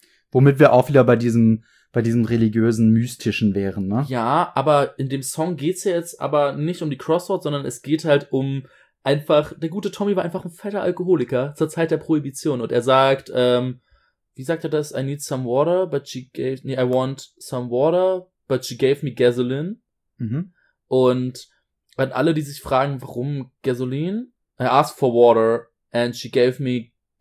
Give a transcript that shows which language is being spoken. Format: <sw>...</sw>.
<de>womit wir auch wieder bei diesem religiösen, mystischen wären, ne? Ja, aber in dem Song geht's ja jetzt aber nicht um die Crossroad, sondern es geht halt um einfach, der gute Tommy war einfach ein fetter Alkoholiker zur Zeit der Prohibition. Und er sagt, wie sagt er das?</de> <en>I need some water, but she gave...</en> <de>Nee,</de> <en>I want some water, but she gave me gasoline. Mhm.</en> <de>Und an alle, die sich fragen, warum Gasoline?</de> <en>I asked for water and she gave me...</en>